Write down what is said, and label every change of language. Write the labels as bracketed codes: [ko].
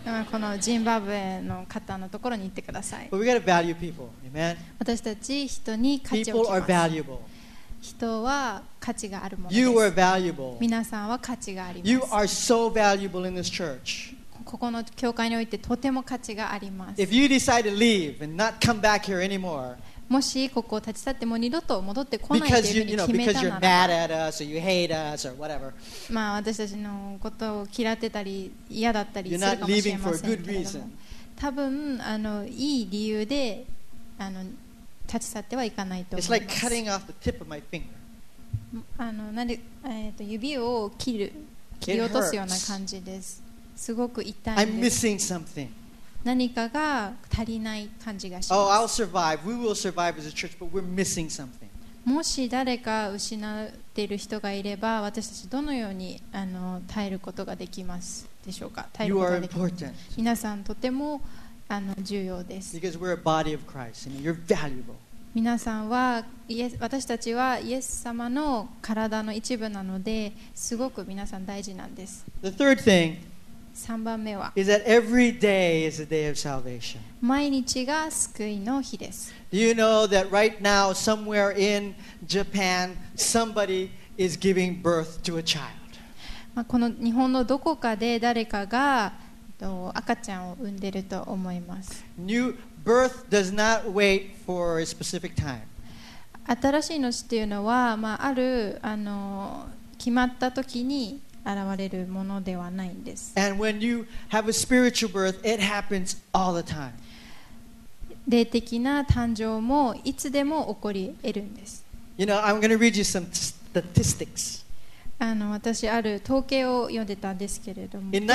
[ja] このジンバブエの方のところに行ってください。 [en] But we gotta value people, amen. [ja] 私たち人に価値を置きます。 [en] People are valuable. [ja] 人は価値があるものです。 [en] You are valuable. [ja] 皆さんは価値があります。 [en] You are so valuable in this church. [ja] ここの教会においてとても価値があります。 [en] If you decide to leave and not come back here anymore, [ja] もしここを立ち去っても二度と戻ってこないというふうに決めたならば、 [en] because you're mad at us or you hate us or whatever, [ja] まあ私たちのことを嫌ってたり嫌だったりするかもしれませんけれども、多分いい理由で立ち去ってはいかないと思います。指を切り落とすような感じです。すごく痛いです。 [en] I'm missing something. [ja] 何かが足りない感じがします。 [en] Oh, I'll survive. We will survive as a church, but we're missing something. [ja] もし誰か失っている人がいれば、私たちどのように耐えることができますでしょうか。耐えることができます。皆さんとても重要です。 [en] Because we're a body of Christ, and you're valuable. [ja] 皆さんは私たちはイエス様の体の一部なので、すごく皆さん大事なんです。 [en] The third thing, [ja] 3番目は [en] is that every day is a day of salvation. [ja] 毎日が救いの日です。 [en] Do you know that right now, somewhere in Japan, somebody is giving birth to a child? [ja] この日本のどこかで誰かが赤ちゃんを産んでると思います。 [en] New birth does not wait for a specific time. [ja] 新しい命っていうのは、まあ、ある決まった時に現れるものではないんです。 [en] And when you have a spiritual birth, it happens all the time. [ja] 霊的な誕生もいつでも起こり得るんです。 [en] You know, I'm going to read you some statistics. [ja] 私ある統計を読んでたんですけれども、